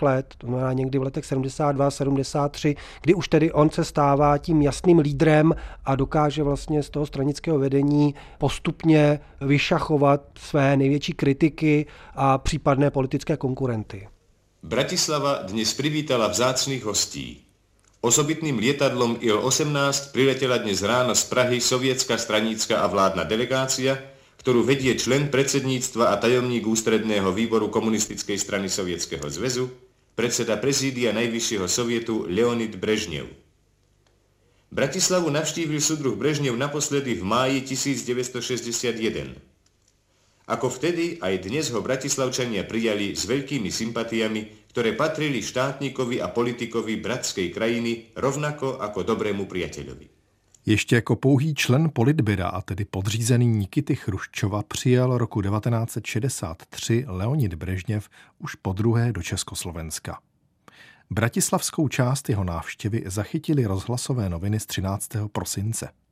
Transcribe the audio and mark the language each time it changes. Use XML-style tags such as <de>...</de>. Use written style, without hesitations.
<cs>let, to znamená někdy v letech 72-73, kdy už tedy on se stává tím jasným lídrem a dokáže vlastně z toho stranického vedení postupně vyšachovat své největší kritiky a případné politické konkurenty.</cs> <sk>Bratislava dnes privítala vzácných hostí. Osobitným lietadlom IL-18 priletela dnes ráno z Prahy sovietská stranícka a vládna delegácia, ktorú vedie člen predsedníctva a tajomník ústredného výboru komunistickej strany Sovietskeho zväzu, predseda prezídia najvyššieho sovietu Leonid Brežnev. Bratislavu navštívil súdruh Brežnev naposledy v máji 1961. Ako vtedy, aj dnes ho Bratislavčania prijali s veľkými sympatiami, ktoré patrili štátníkovi a politikovi bratskej krajiny rovnako ako dobrému priateľovi.</sk> <cs>Ještě jako pouhý člen politbyra a tedy podřízený Nikity Chruščova přijal roku 1963 Leonid Brežněv už podruhé do Československa. Bratislavskou část jeho návštěvy zachytili rozhlasové noviny z 13. prosince.</cs>